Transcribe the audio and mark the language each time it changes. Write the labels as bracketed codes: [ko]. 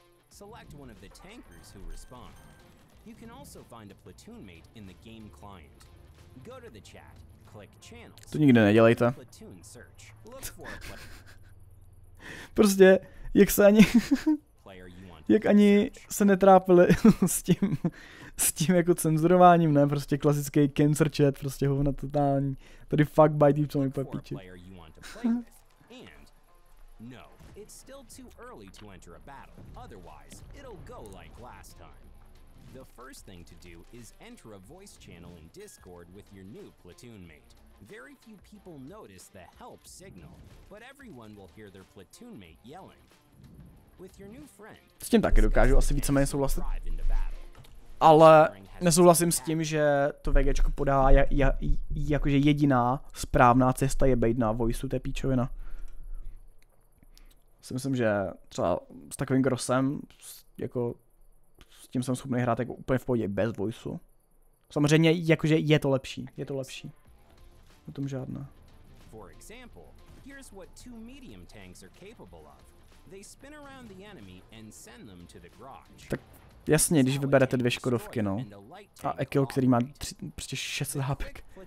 [en] Select one of the tankers who respond. You can also find a platoon mate in the game client. Go to the chat, click channels. [cs] To nikdy nedělejte. [en] Platoon search. Look for a platoon. [cs] Prostě, jak se ani... jak ani se netrápili s tím jako cenzurováním, ne? Prostě klasický cancer chat, prostě hovna totální. Tady fuck by deep, co mi půjde píči. [en] And... No. It's still too early to enter a battle. Otherwise, it'll go like last time. The first thing to do is enter a voice channel in Discord with your new platoon mate. Very few people notice the help signal, but everyone will hear their platoon mate yelling. With your new friend. [cs] S tím taky dokážu asi víceméně souhlasit. Ale nesouhlasím s tím, že to VGčko podá jakože jediná správná cesta je být na voiceu, to je píčovina. Si myslím, že třeba s takovým Grossem, jako s tím jsem schopný hrát jako úplně v pohodě bez voiceu. Samozřejmě jakože je to lepší. O tom žádná. [en] For example, here's what two medium tanks are capable of. They spin around the enemy and send them to the garage. [cs] Tak jasně, když vyberete dvě škodovky, no. A Ekil, který má prostě 600 hápek.